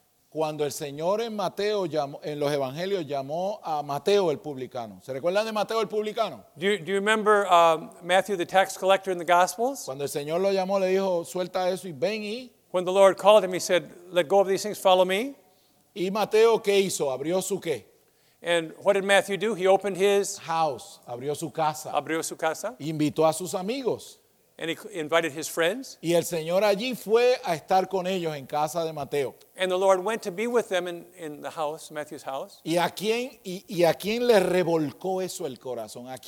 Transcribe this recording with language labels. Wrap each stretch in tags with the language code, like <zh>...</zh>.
<es>Cuando el Señor en Mateo llamó, en los evangelios llamó a Mateo el publicano. ¿Se recuerdan de Mateo el publicano?</es> <en>Do you remember Matthew the tax collector in the Gospels?</en> <es>Cuando el Señor lo llamó, le dijo, suelta eso y ven y.</es> <en>When the Lord called him, he said, let go of these things, follow me.</en> <es>¿Y Mateo qué hizo? ¿Abrió su qué?</es> <en>And what did Matthew do? He opened his house.</en> <es>Abrió su casa. Abrió su casa. Invitó a sus amigos.</es> <en>And he invited his friends.</en> <es>Y el Señor allí fue a estar con ellos en casa de Mateo.</es> <en>And the Lord went to be with them in the house, Matthew's house.</en> <es>¿Y a quién le revolcó eso el corazón?</es>